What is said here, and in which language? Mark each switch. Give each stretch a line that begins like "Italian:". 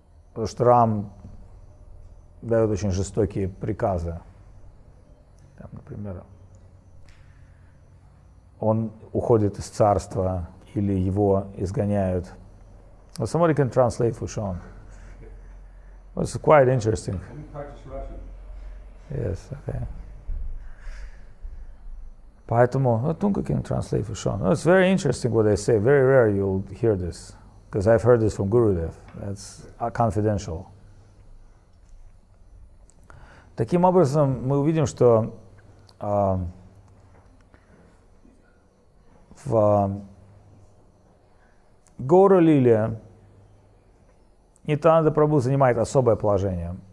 Russian: Потому что Рам дает очень жестокие приказы. Там, например, он уходит из царства или его изгоняют.
English: Well, somebody can translate for Sean. Well, it's quite interesting. Can you practice Russian? Yes, okay.
Russian: Поэтому,
English: well, Tunka can translate for Sean. Well, it's very interesting what they say. Very rare you'll hear this. Because I've heard this from Gurudev. That's confidential.
Russian: Таким образом, мы увидим, что в Гору Лиле Нитянанда Прабху занимает особое положение.